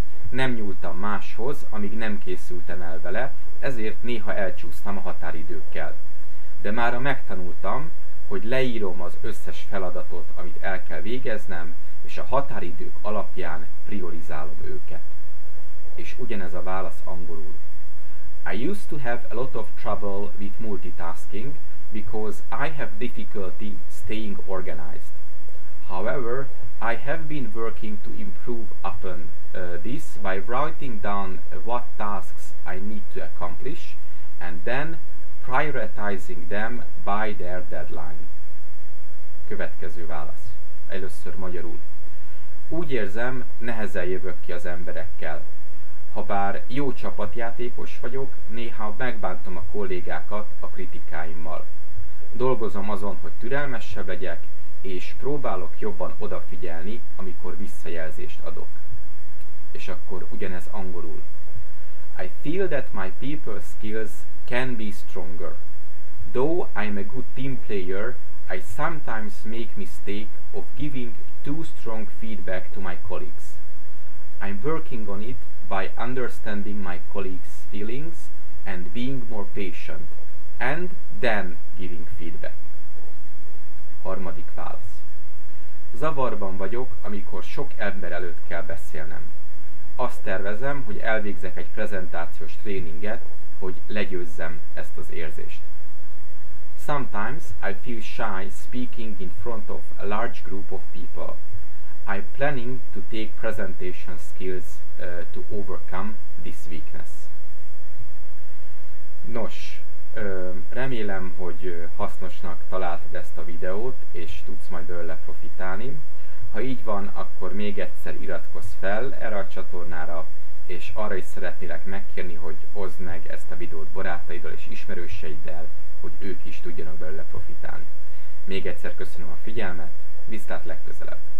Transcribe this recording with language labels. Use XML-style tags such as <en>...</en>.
<hu>Nem nyúltam máshoz, amíg nem készültem el vele, ezért néha elcsúsztam a határidőkkel. De mára megtanultam, hogy leírom az összes feladatot, amit el kell végeznem, és a határidők alapján priorizálom őket. És ugyanez a válasz angolul.</hu> <en>I used to have a lot of trouble with multitasking because I have difficulty staying organized. However, I have been working to improve upon this by writing down what tasks I need to accomplish and then prioritizing them by their deadline.</en> <hu>Következő válasz. Először magyarul. Úgy érzem, nehezen jövök ki az emberekkel. Habár jó csapatjátékos vagyok, néha megbántom a kollégákat a kritikáimmal. Dolgozom azon, hogy türelmesebb legyek, és próbálok jobban odafigyelni, amikor visszajelzést adok. És akkor ugyanez angolul.</hu> <en>I feel that my people skills can be stronger. Though I'm a good team player, I sometimes make mistake of giving too strong feedback to my colleagues. I'm working on it by understanding my colleagues' feelings and being more patient, and then giving feedback.</en> <hu>Harmadik válasz. Zavarban vagyok, amikor sok ember előtt kell beszélnem. Azt tervezem, hogy elvégzek egy prezentációs tréninget, hogy legyőzzem ezt az érzést.</hu> <en>Sometimes I feel shy speaking in front of a large group of people. I'm planning to take presentation skills to overcome this weakness.</en> <hu>Nos, remélem, hogy hasznosnak találtad ezt a videót, és tudsz majd belőle profitálni. Ha így van, akkor még egyszer iratkozz fel erre a csatornára, és arra is szeretnélek megkérni, hogy oszd meg ezt a videót barátaiddal és ismerőseiddel, hogy ők is tudjanak belőle profitálni. Még egyszer köszönöm a figyelmet, viszlát legközelebb!</hu>